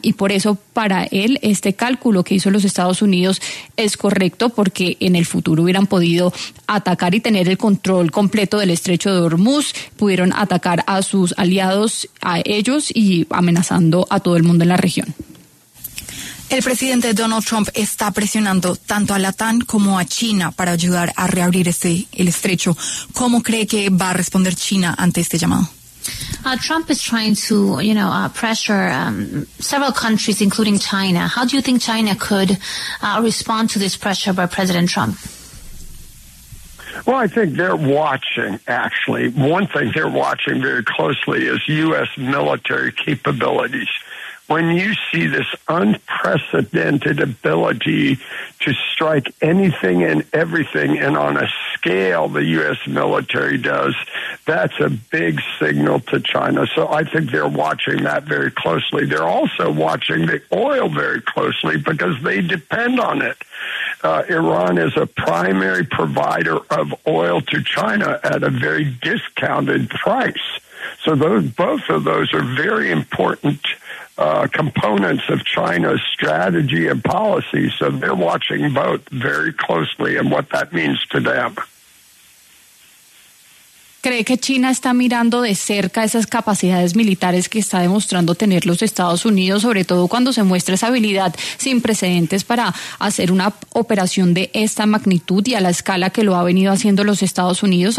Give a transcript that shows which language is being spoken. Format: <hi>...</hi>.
<es>Y por eso, para él, este cálculo que hizo los Estados Unidos es correcto, porque en el futuro hubieran podido atacar y tener el control completo del Estrecho de Hormuz, pudieron atacar a sus aliados, a ellos, y amenazando a todo el mundo en la región. El presidente Donald Trump está presionando tanto a la OTAN como a China para ayudar a reabrir el estrecho. ¿Cómo cree que va a responder China ante este llamado?</es> <en>Trump is trying to, you know, pressure several countries, including China. How do you think China could respond to this pressure by President Trump? Well, I think they're watching, actually. One thing they're watching very closely is U.S. military capabilities. When you see this unprecedented ability to strike anything and everything, and on a scale the U.S. military does, that's a big signal to China. So I think they're watching that very closely. They're also watching the oil very closely because they depend on it. Iran is a primary provider of oil to China at a very discounted price. So both of those are very important components of China's strategy and policy. So they're watching both very closely and what that means to them.</en> <es>¿Cree que China está mirando de cerca esas capacidades militares que está demostrando tener los Estados Unidos, sobre todo cuando se muestra esa habilidad sin precedentes para hacer una operación de esta magnitud y a la escala que lo ha venido haciendo los Estados Unidos?</es>